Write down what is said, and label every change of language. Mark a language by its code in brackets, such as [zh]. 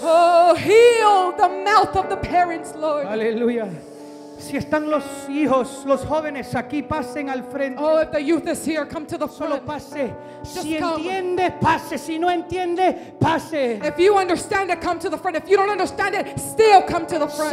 [en] Oh, heal the mouth of the parents, Lord. [es] Aleluya. Si están los hijos, los jóvenes aquí, pasen al frente. [en] Oh, if the youth is here, come to the front. [es] Solo pase. Si entiende, pase. Si no entiende, pase. [en] If you understand it, come to the front. If you don't understand it, still come to the front.